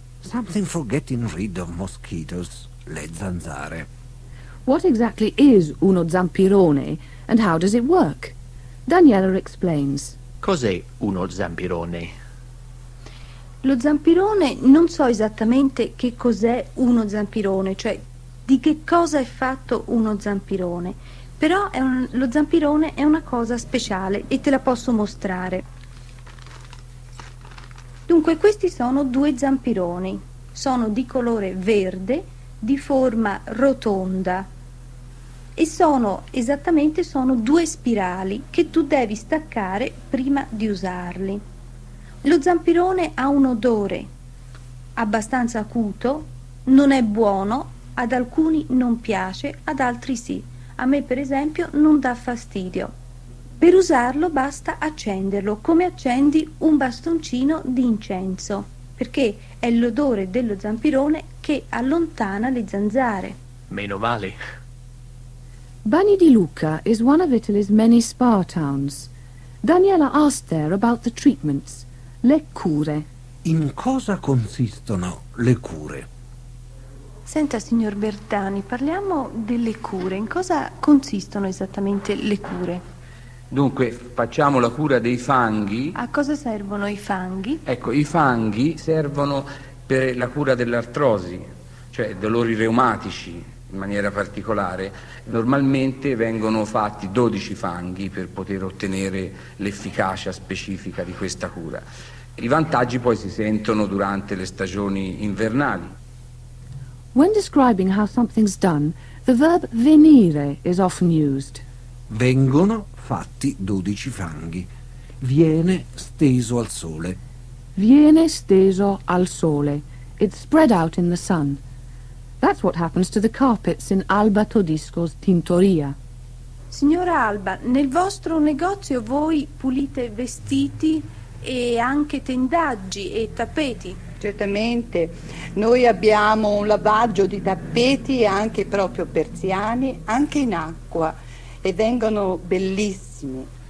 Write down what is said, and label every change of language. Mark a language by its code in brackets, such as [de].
[en] Something for getting rid of mosquitoes. [it] Le zanzare. [en] What exactly is uno zampirone and how does it work? Daniela explains. [it] Cos'è uno zampirone? Lo zampirone, non so esattamente che cos'è uno zampirone, cioè di che cosa è fatto uno zampirone. Però lo zampirone è una cosa speciale e te la posso mostrare. Dunque, questi sono due zampironi. Sono di colore verde, di forma rotonda. E sono due spirali che tu devi staccare prima di usarli. Lo zampirone ha un odore abbastanza acuto, non è buono, ad alcuni non piace, ad altri sì. A me, per esempio, non dà fastidio. Per usarlo basta accenderlo, come accendi un bastoncino di incenso, perché è l'odore dello zampirone che allontana le zanzare. Meno male. [en] Bani di Luca is one of Italy's many spa towns. Daniela asked there about the treatments, le cure. [it] In cosa consistono le cure? Senta, signor Bertani, parliamo delle cure. In cosa consistono esattamente le cure? Dunque, facciamo la cura dei fanghi. A cosa servono i fanghi? Ecco, i fanghi servono per la cura dell'artrosi, cioè dolori reumatici in maniera particolare. Normalmente vengono fatti 12 fanghi per poter ottenere l'efficacia specifica di questa cura. I vantaggi poi si sentono durante le stagioni invernali. [en] When describing how something's done, the verb venire is often used. [it] Vengono fatti 12 fanghi. Viene steso al sole. Viene steso al sole. [en] It's spread out in the sun. That's what happens to the carpets in Alba Todisco's tintoria. [it] Signora Alba, nel vostro negozio voi pulite vestiti e anche tendaggi e tappeti? Certamente, noi abbiamo un lavaggio di tappeti e anche proprio persiani, anche in acqua, e vengono bellissimi.